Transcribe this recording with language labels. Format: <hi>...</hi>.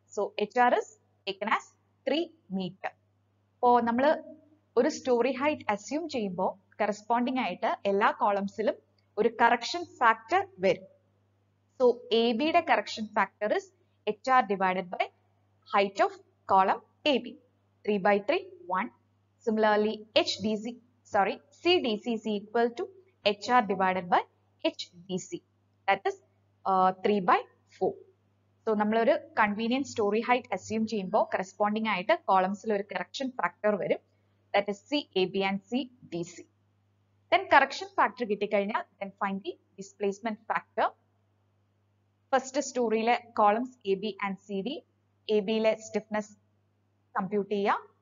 <ml>So H R is taken as 3 meters. അപ്പോ നമ്മൾ ഒരു സ്റ്റോറി ഹൈറ്റ് അസ്യൂം ചെയ്യുമ്പോൾ കറസ്പോണ്ടിങ് ആയിട്ട് എല്ലാ കോളംസിലും ഒരു കറക്ഷൻ ഫാക്ടർ വരും.</ml> <en>So A ബിയുടെ correction factor is H R divided by height of column A B 3/3 1. Similarly, HDC, sorry, CDC is equal to HR divided by HDC. That is 3/4.</en> <ml>So നമ്മൾ ഒരു convenient story height assume ചെയ്യുമ്പോൾ corresponding ആയിട്ട് കോളംസിൽ ഒരു correction factor വരും.</ml> <en>That is C A B and C D C. Then correction factor</en> <ml>കിട്ടിക്കഴിഞ്ഞാൽ</ml> <en>Then find the displacement factor.</en> <ml>First സ്റ്റോറിയിലെ columns A B and C D, A ബിയിലെ stiffness compute ചെയ്യാം.</ml>